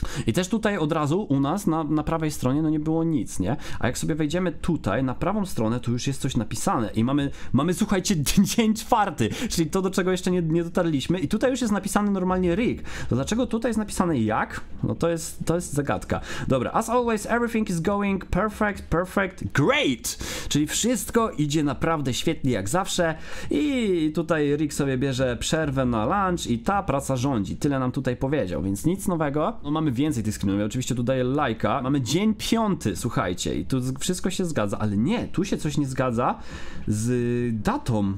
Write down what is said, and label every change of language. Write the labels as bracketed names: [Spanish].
[Polish] I też tutaj od razu u nas na prawej stronie no nie było nic, nie? A jak sobie wejdziemy tutaj na prawą stronę, to już jest coś napisane i mamy słuchajcie, dzień czwarty, czyli to, do czego jeszcze nie dotarliśmy, i tutaj już jest napisane normalnie Rick. To dlaczego tutaj jest napisane Jak? No to jest zagadka. Dobra, [English] as always everything is going perfect, perfect, great! [Polish] Czyli wszystko idzie naprawdę świetnie jak zawsze i tutaj Rick sobie bierze przerwę na lunch i ta praca rządzi. Tyle nam tutaj powiedział, więc nic nowego. No mamy więcej tych screenów, ja oczywiście tu daję lajka. Mamy dzień piąty, słuchajcie, i tu wszystko się zgadza, ale nie, tu się coś nie zgadza z datą.